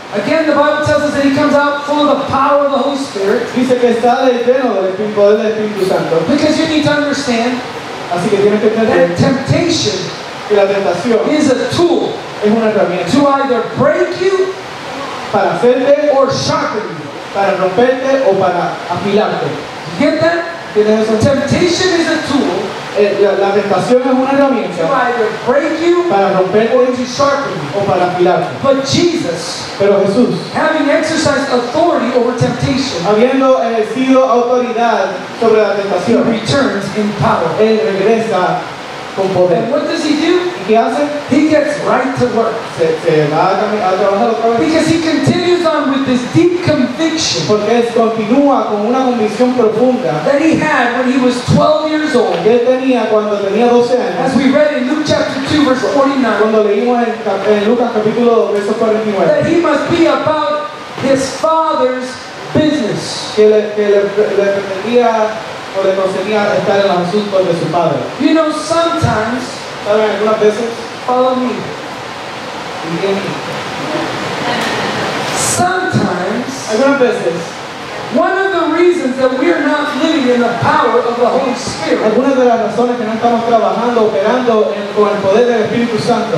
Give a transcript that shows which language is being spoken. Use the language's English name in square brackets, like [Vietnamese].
[English] Again, the Bible tells us that he comes out full of the power of the Holy Spirit. [Spanish] Dice que sale lleno del poder del Espíritu Santo. [English] Because you need to understand. [Spanish] Así que tienes que entender. [English] That temptation. [Spanish] Que la tentación. [English] Is a tool. [Spanish] Es una herramienta. [English] To either break you. [Spanish] Para hacerte. [English] Or sharpen you. [Spanish] para romperte o para afilarte. [English] Get that? [Spanish] ¿Tienes eso? [English] Temptation is a tool. [Spanish] La tentación es una herramienta [English] break you, [Spanish] para romperte [English] or to sharpen you, [Spanish] o para afilarte. [English] But Jesus, [Spanish] pero Jesús, [English] having exercised authority over temptation, [Spanish] habiendo ejercido autoridad sobre la tentación, [English] he returns in power. [Spanish] Él regresa con poder. [English] And what does he do? [Spanish] ¿Y qué hace? [English] He gets right to work. [Spanish] Se va a trabajar otra vez. [English] Because he continues on with this deep conviction. [Spanish] Porque él continúa con una convicción profunda. [English] That he had when he was 12 years old. [Spanish] Que él tenía cuando tenía 12 años. [English] As we read in Luke chapter 2 verse 49. [Spanish] Cuando leímos en Lucas capítulo 2 verso 49. [English] That he must be about his father's business. [Spanish] Que le pretendía o le conseguía estar en los asuntos de su padre. [English] You know, sometimes, [Spanish] ¿saben algunas veces? [English] Follow me. [Spanish] Entiendo. [English] Sometimes, [Spanish] algunas veces, [English] one of the reasons that we are not living in the power of the Holy Spirit, [Spanish] algunas de las razones que no estamos trabajando, operando con el poder del Espíritu Santo,